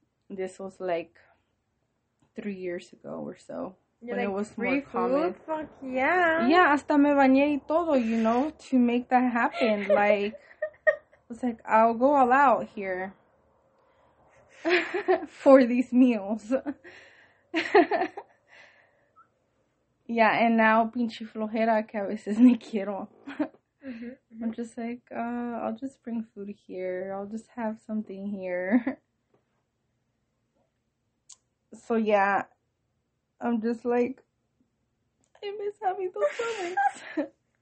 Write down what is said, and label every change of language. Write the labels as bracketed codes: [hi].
[en] This was, like, 3 years ago or so. When, like, it was free more food? Common. Fuck yeah. Yeah, [es] hasta me bañé y todo, [en] you know, to make that happen. Like, I was like, I'll go all out here for these meals. Yeah, and now [es] pinche flojera que a veces ni quiero. Mm-hmm. [en] I'm just like, I'll just bring food here. I'll just have something here. So yeah, I'm just like, I miss having those moments.